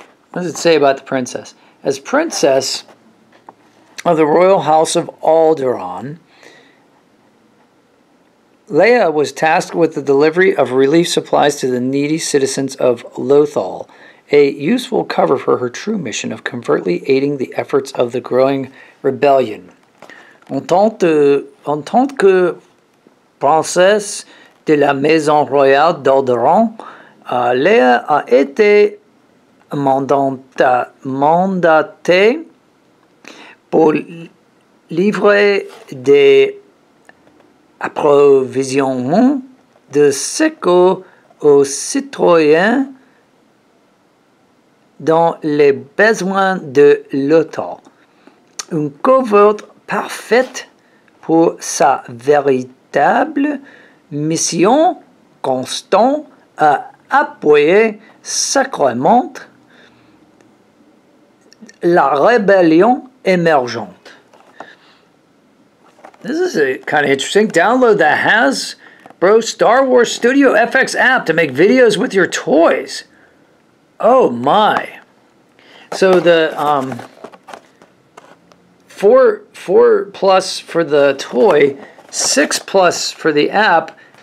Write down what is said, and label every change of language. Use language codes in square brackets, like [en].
[en] What does it say about the princess? As princess of the royal house of Alderaan, Leia was tasked with the delivery of relief supplies to the needy citizens of Lothal, a useful cover for her true mission of covertly aiding the efforts of the growing rebellion. [fr] En tant que princesse de la maison royale d'Alderaan, Leia a été mandatée pour livrer des approvisionnements de secours aux citoyens dans les besoins de l'OTAN. Une couverture parfaite pour sa véritable mission constante à appuyer sacrément la rébellion émergente. [en] This is kind of interesting. Download the Hasbro Star Wars Studio FX app to make videos with your toys. Oh my. So the four plus for the toy, 6 plus for the app.